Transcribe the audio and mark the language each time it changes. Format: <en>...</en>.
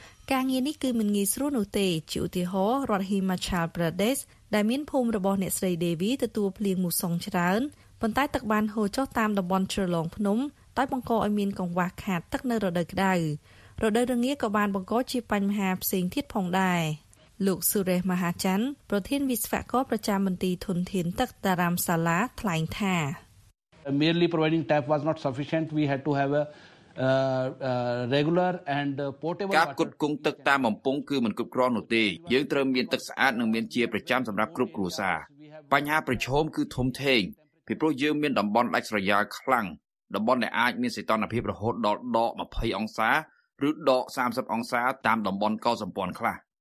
<km>ការងារនេះគឺមិនងាយស្រួលនោះទេជាឧទាហរណ៍រដ្ឋ Himachal Pradesh ដែលមានភូមិរបស់អ្នកស្រី Devi ទទួលភ្លៀងមូសុងច្រើនប៉ុន្តែទឹកបានហូរចុះតាមតំបន់ជ្រលងភ្នំដោយបង្កឲ្យមានកង្វះខាតទឹកនៅរដូវក្តៅរដូវរងាក៏បានបង្កជាបញ្ហាផ្សេងទៀតផងដែរលោកសុរេសមហាច័ន្ទប្រធានវិស្វករប្រចាំមន្ទីរធនធានទឹកតារាមសាឡាថ្លែងថា</km> <en>Merely providing tap was not sufficient we had to have aregular and portable</en> <km>ការគ្រប់គ្រងទឹកតាមបំពង់គឺមិនគ្រប់គ្រាន់នោះទេយើងត្រូវមានទឹកស្អាតនិងមានជាប្រចាំសម្រាប់គ្រប់គ្រួសារបញ្ហាប្រឈមគឺធំធេងពីព្រោះយើងមានតំបន់ដាច់ស្រយាលខ្លាំងតំបន់ដែលអាចមានសីតុណ្ហភាពរហូតដល់ដក20អង្សាឬដក30អង្សាតាមតំបន់កោសម្ព័ន្ធខ្លះ</km>